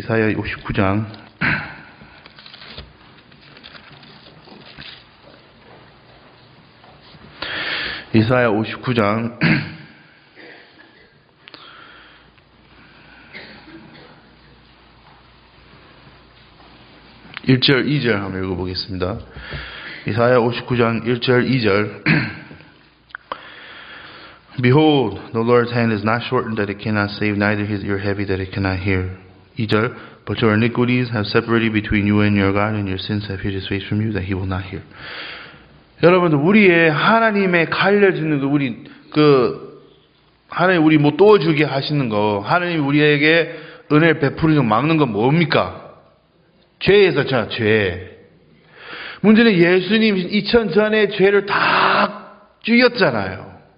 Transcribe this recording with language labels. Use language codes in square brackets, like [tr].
[ko] 이사야 59장 이사야 59장 1절 2절 한번 읽어보겠습니다. 이사야 59장 1절 2절 [en] Behold, the Lord's hand is not shortened that it cannot save, neither his ear heavy that it cannot hear. 2절 But your iniquities have separated between you and your God, and your sins have hid his face from you, that he will not hear. [ko] 여러분들 우리의 하나님의 갈려지는 거 우리 그 하나님 우리 뭐 도와주게 하시는 거 하나님 우리에게 은혜를 베풀어서 막는 건 뭡니까? 죄에서잖아 죄. 문제는 예수님 2000 전에 죄를 다 죽였잖아요.